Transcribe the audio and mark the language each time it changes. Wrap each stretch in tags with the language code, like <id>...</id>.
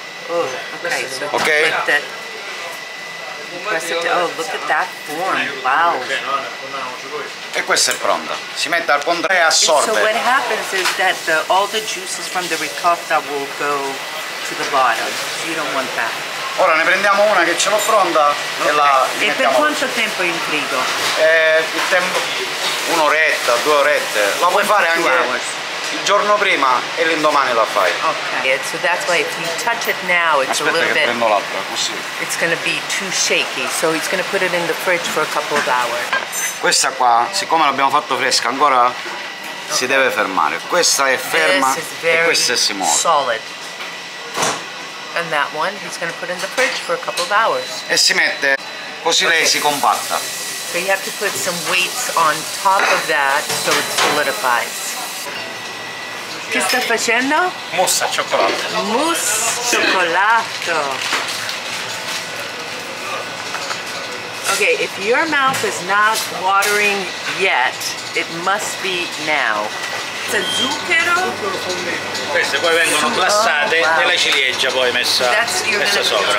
<en>Oh, okay. So okay. Oh, look at that form. Wow.</en> <it>E questa è pronta. Si mette al contrario e assorbe.</it> <en>So what happens is that all the juices from the ricotta will go to the bottom. You don't want that.</en> <it>Ora ne prendiamo una che ce l'ho pronta e la e per quanto tempo in frigo? Il tempo un'oretta, due orette. La puoi fare anche il giorno prima e l'indomani la fai.</it> <en>Okay. Yeah, so that's why if you touch it now it's</en> <it>aspetta</it> <en>a little bit</en> <it>prendo l'altra, così.</it> <en>It's going to be too shaky. So he's going to put it in the fridge for a couple of hours.</en> <it>Questa qua, siccome l'abbiamo fatto fresca ancora, si deve fermare. Questa è ferma e questa si muove.</it> <en>Solid. And that one he's going to put in the fridge for a couple of hours.</en> <it>E si mette così lei si compatta.</it> <en>So you have to put some weights on top of that so it solidifies.</en> <it>Che sta facendo? Mousse al cioccolato. Mousse cioccolato.</it> <en>Okay, if your mouth is not watering yet, it must be now.</en> <it>Zucchero. Queste poi vengono glassate e la ciliegia poi messa, messa sopra.</it>